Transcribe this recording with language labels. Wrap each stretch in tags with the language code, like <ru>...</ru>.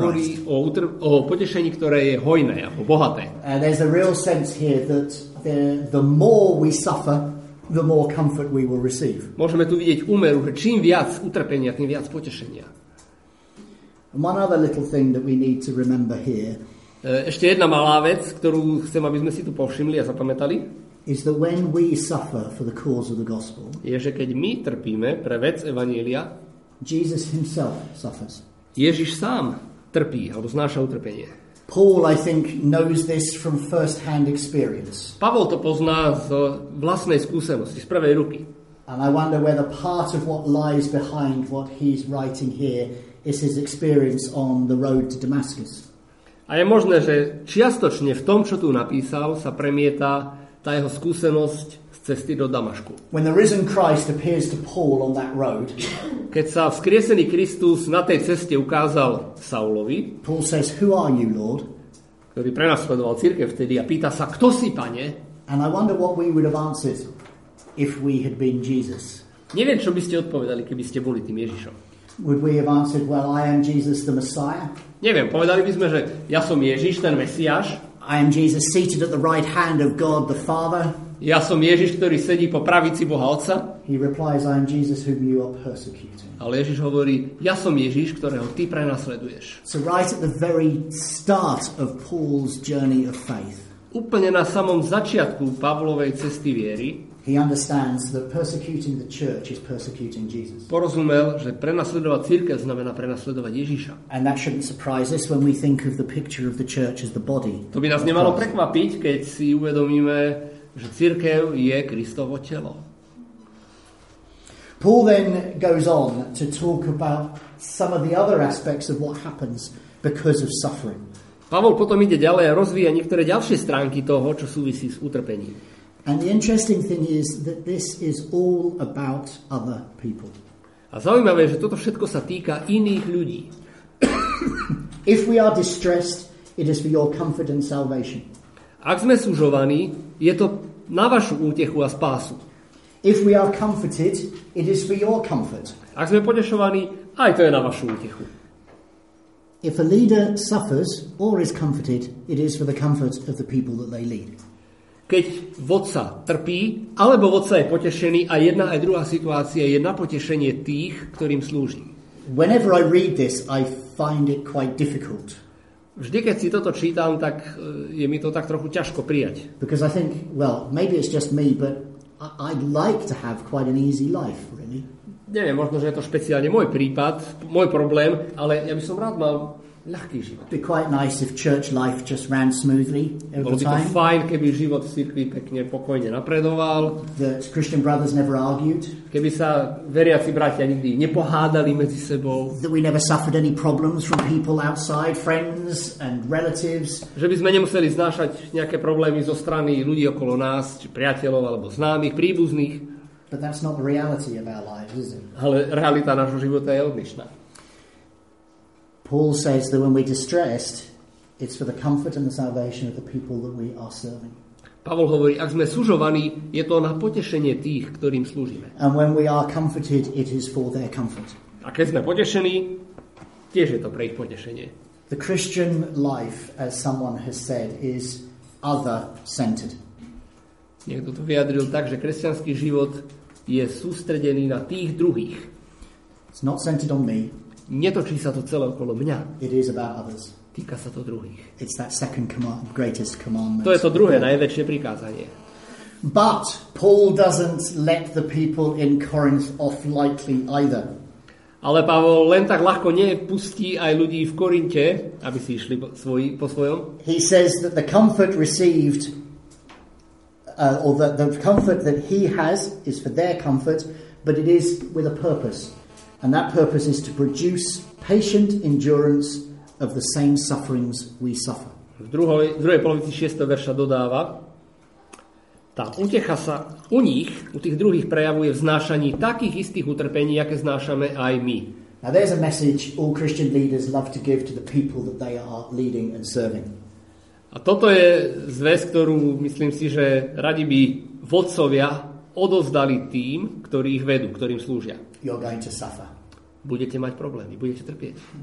<sk>hovorí</sk> <en>Christ.</en> <sk>O potešení, ktoré je hojné a bohaté.</sk> <en>And there's a real sense here that the more we suffer, the more comfort we will receive.</en> <sk>Môžeme tu vidieť úmeru, že čím viac utrpenia, tým viac potešenia.</sk> <en>And one other little thing that we need to remember here.</en> <sk>Ešte jedna malá vec, ktorú chcem, aby sme si tu povšimli a zapamätali.</sk> <en>Is that when we suffer for the cause of the gospel.</en> <sk>Je, že keď my trpíme pre vec evanjelia.</sk> <en>Jesus himself suffers.</en> <sk>Ježiš sám trpí alebo znáša utrpenie.</sk> <en>Paul, I think, knows this from first hand experience.</en> <sk>Pavol to pozná z vlastnej skúsenosti, z prvej ruky.</sk> <en>And I wonder whether part of what lies behind what he's writing here is his experience on the road to Damascus.</en> <sk>A je možné, že čiastočne v tom, čo tu napísal, sa premieta tá jeho skúsenosť z cesty do Damašku.</sk> <en>When the risen Christ appears to Paul on that road,</en> <sk>keď sa vzkriesený Kristus na tej ceste ukázal Saulovi,</sk> <en>Paul says, "Who are you, Lord?"</en> <sk>ktorý prenasledoval cirkev vtedy a pýta sa, kto si, pane?</sk> <en>And I wonder what we would have answered if we had been Jesus.</en> <sk>Neviem, čo by ste odpovedali, keby ste boli tým Ježišom.</sk> <en>Would we have answered, well, I am Jesus the Messiah?</en> <sk>Neviem, povedali by sme, že ja som Ježiš, ten Mesiáš.</sk> <en>I am Jesus seated at the right hand of God the Father.</en> <sk>Ja som Ježiš, ktorý sedí po pravici Boha Otca.</sk> <en>He replies, I am Jesus whom you are persecuting.</en> <sk>Ale Ježiš hovorí, ja som Ježiš, ktorého ty prenasleduješ.</sk> <en>So right at the very start of Paul's journey of faith.</en> <sk>Úplne na samom začiatku Pavlovej cesty viery.</sk> <en>He understands that persecuting the church is persecuting Jesus.</en> <sk>Porozumel, že prenasledovať cirkev znamená prenasledovať Ježiša.</sk> <en>And that shouldn't surprise us when we think of the picture of the church as the body.</en> <sk>To by nás nemalo prekvapiť, keď si uvedomíme, že cirkev je Kristovo telo.</sk> <en>Paul then goes on to talk about some of the other aspects of what happens because of suffering.</en> <sk>Pavol potom ide ďalej a rozvíja niektoré ďalšie stránky toho, čo súvisí s utrpením.</sk> <en>And the interesting thing is that this is all about other people.</en> <sk>A zaujímavé je, že toto všetko sa týka iných ľudí.</sk> <en>If we are distressed, it is for your comfort and salvation.</en> <sk>Ak sme sužovaní, je to na vašu útechu a spásu.</sk> <en>If we are comforted, it is for your comfort.</en> <sk>Ak sme potešovaní, aj to je na vašu útechu.</sk> <en>If a leader suffers or is comforted, it is for the comfort of the people that they lead.</en> <sk>Keď vodca trpí, alebo vodca je potešený, a jedna aj druhá situácia je na potešenie tých, ktorým slúži.</sk> <en>Whenever I read this, I find it quite difficult.</en> <sk>Vždy, keď si toto čítam, tak je mi to tak trochu ťažko prijať.</sk> <en>Because I think, well, maybe it's just me, but I'd like to have quite an easy life, really.</en> <sk>Neviem, možno, že je to špeciálne môj prípad, môj problém, ale ja by som rád mal ľahký život.</sk> <en>It'd be quite nice if church life just ran smoothly every time.</en> <sk>Bolo by to fajn, keby život v cirkvi pekne, pokojne napredoval.</sk> <en>That Christian brothers never argued.</en> <sk>Keby sa veriaci bratia nikdy nepohádali medzi sebou.</sk> <en>That we never suffered any problems from people outside, friends and relatives.</en> <sk>Že by sme nemuseli znášať nejaké problémy zo strany ľudí okolo nás, či priateľov, alebo známych, príbuzných.</sk> <en>But that's not the reality of our lives, is it?</en> <sk>Ale realita nášho života je odlišná.</sk> <en>Paul says that when we're distressed, it's for the comfort and the salvation of the people that we are serving.</en> <sk>Pavol hovorí, ak sme sužovaní, je to na potešenie tých, ktorým slúžime.</sk> <en>And when we are comforted, it is for their comfort.</en> <sk>A keď sme potešení, tiež je to pre ich potešenie.</sk> <en>The Christian life, as someone has said, is other-centered.</en> <sk>Niekto to vyjadril tak, že kresťanský život je sústredený na tých druhých.</sk> <en>It's not centered on me.</en> <sk>Netočí sa to celé okolo mňa.</sk> <en>It is about others.</en> <sk>Týka sa to druhých.</sk> <en>It's that second command, greatest commandment.</en> <sk>To je to druhé, najväčšie prikázanie.</sk> <en>But Paul doesn't let the people in Corinth off lightly either.</en> <sk>Ale Pavol len tak ľahko nepustí aj ľudí v Korinte, aby si išli po svojom.</sk> <en>He says that the comfort received or that the comfort that he has is for their comfort, but it is with a purpose. And that purpose is to produce patient endurance of the same sufferings we suffer.</en> <sk>V druhej polovici 6. verša dodáva, tá útecha sa u nich, u tých druhých prejavuje v znášaní takých istých utrpení, aké znášame aj my.</sk> <en>Now there's a message all Christian leaders love to give to the people that they are leading and serving.</en> <sk>A toto je zvesť, ktorú myslím si, že radi by vodcovia odovzdali tým, ktorí ich vedú, ktorým slúžia.</sk> <en>You're going to suffer.</en> <sk>Budete mať problémy, budete trpieť.</sk>